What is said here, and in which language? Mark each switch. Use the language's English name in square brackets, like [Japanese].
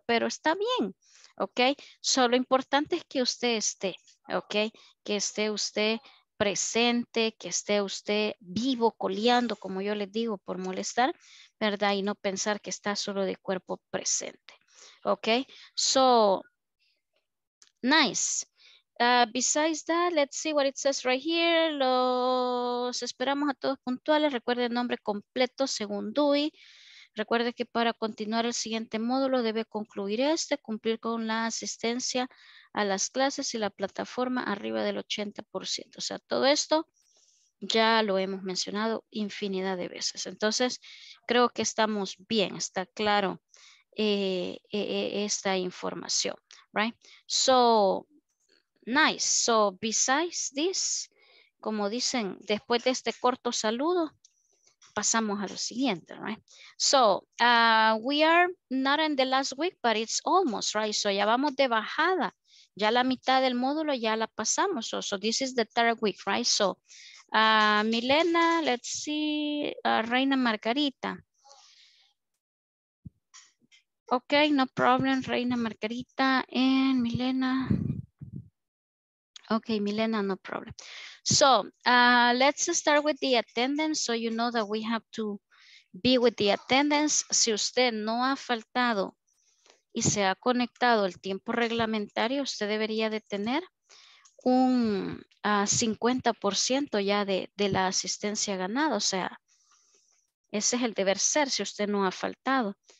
[Spanish] Pero está bien, ¿ok? Solo importante es que usted esté, ¿ok? Que esté usted presente, que esté usted vivo, coleando, como yo les digo, por molestar, ¿verdad? Y no pensar que está solo de cuerpo presente, ¿ok? [English] So, nice. Besides that, let's see what it says right here. [Spanish] Los esperamos a todos puntuales. Recuerde el nombre completo según Dewey. Recuerde que para continuar el siguiente módulo debe concluir este, cumplir con la asistencia a las clases y la plataforma arriba del 80%. O sea, todo esto ya lo hemos mencionado infinidad de veces. Entonces, creo que estamos bien, está claro esta información, right? [English] So, nice. So, besides this, [Spanish] como dicen, después de este corto saludo, pasamos a lo siguiente, right? [English] So, we are not in the last week, but it's almost, right? [Spanish] So, ya vamos de bajada. Ya la mitad del módulo ya la pasamos. [English] So this is the third week, right? So, Milena, let's see, Reina Margarita. Okay, no problem, Reina Margarita and Milena. Okay, Milena, no problem. So let's start with the attendance. So you know that we have to be with the attendance. [Spanish] Si usted no ha faltado y se ha conectado el tiempo reglamentario, usted debería de tener un 50% ya de la asistencia ganada. O sea, ese es el deber ser si usted no ha faltado.